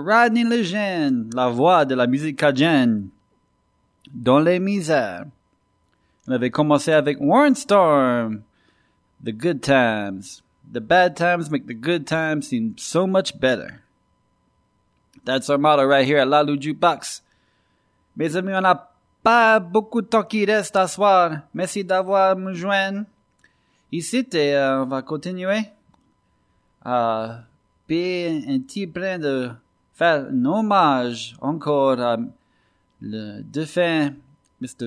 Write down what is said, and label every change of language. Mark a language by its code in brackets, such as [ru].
[fr] Rodney Lejeune, La Voix de la Musique Cajun, Dans les Misères. On avait commencé avec Warren Storm, The Good Times. [en] The bad times make the good times seem so much better. That's our motto right here at La Lou Jukebox. [fr] Mes amis, on a pas beaucoup de temps qui reste à soir. Merci d'avoir me joint ici et on va continuer à payer un petit brin de faire un hommage encore à le défunt Mr.